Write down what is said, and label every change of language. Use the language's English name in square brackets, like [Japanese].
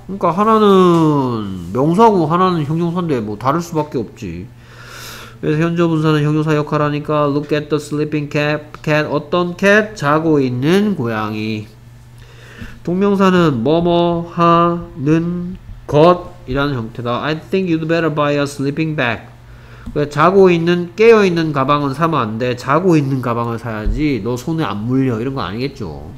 [Korean] 그러니까 하나는 명사고 하나는 형용사인데 뭐 다를 수밖에 없지. 그래서 현재 분사는 형용사 역할을 하니까 [English] look at the sleeping cat. [Korean] 어떤 cat? 자고 있는 고양이. 동명사는 뭐뭐 하는 것 이라는 형태다. [English] I think you'd better buy a sleeping bag. [Korean] 자고 있는 깨어있는 가방은 사면 안 돼. 자고 있는 가방을 사야지 너 손에 안 물려 이런 건 아니겠죠.